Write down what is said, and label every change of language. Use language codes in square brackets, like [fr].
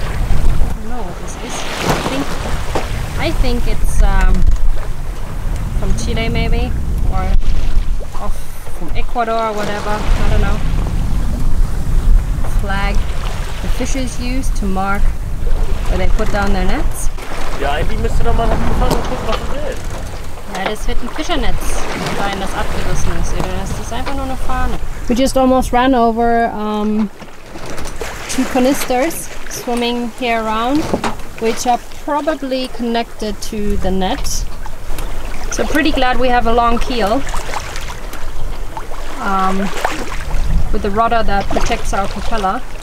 [en] I don't know what this is. I think it's from Chile maybe, or off from Ecuador or whatever, I don't know. flag the fishers use to mark where they put down their nets. [de] Ja, eigentlich müsste da mal hinfahren und gucken, was das ist. Ja, das wird ein Fischernetz sein, das abgerissen ist. Oder das ist einfach nur eine Fahne. [en] We just almost ran over two canisters swimming here around, which are probably connected to the net. So pretty glad we have a long keel with the rudder that protects our propeller.